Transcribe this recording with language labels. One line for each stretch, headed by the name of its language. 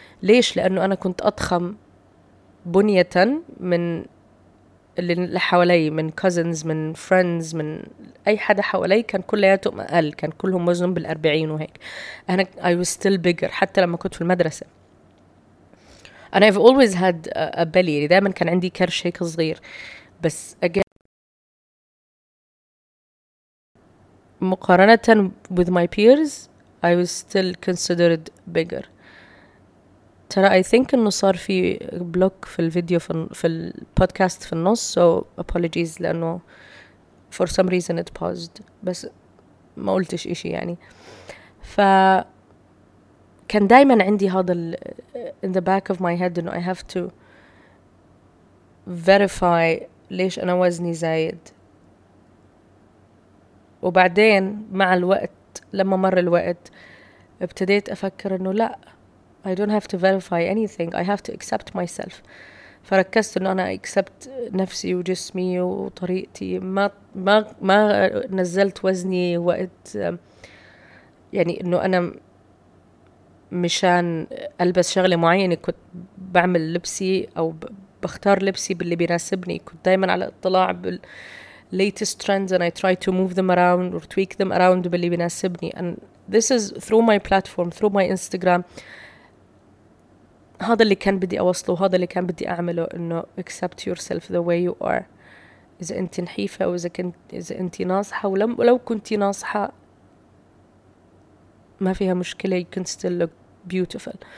Arabic: ليش؟ لانه انا كنت اضخم بنية من اللي حوالي، من cousins، من friends، من أي حدا حوالي كان كلياتهم أقل، كان كلهم وزنهم بالأربعين وهيك. أنا
English: I was still bigger
Arabic: حتى لما كنت في المدرسة. أنا
English: I've always had a belly،
Arabic: يعني دائما كان عندي كرش هيك صغير، بس again مقارنة
English: with my peers I was still considered bigger.
Arabic: ترى
English: I think
Arabic: إنه صار في بلوك في الفيديو في البودكاست في النص،
English: so apologies
Arabic: لأنه
English: for some reason it paused،
Arabic: بس ما قلتش إشي يعني. فكان دائما عندي هذا ال
English: in the back of my head
Arabic: إنه
English: I have to verify
Arabic: ليش أنا وزني زايد. وبعدين مع الوقت لما مر الوقت ابتديت أفكر إنه لا
English: I don't have to verify anything, I have to accept myself.
Arabic: فركزت إنه أنا accept نفسي وجسمي وطريقتي, ما نزلت وزني وقت يعني إنه أنا مشان ألبس شغلة معينة, كنت بعمل لبسي أو بختار لبسي باللي بيناسبني, كنت دايما على اطلاع بال
English: latest trends and I try to move them around
Arabic: or tweak them around باللي بيناسبني.
English: And this is through my platform, through my Instagram.
Arabic: هذا اللي كان بدي أوصله, هذا اللي كان بدي أعمله, إنه
English: accept yourself the way you are.
Arabic: إذا أنت نحيفة أو إذا أنت ناصحة, ولو كنت ناصحة ما فيها مشكلة,
English: you can still look beautiful.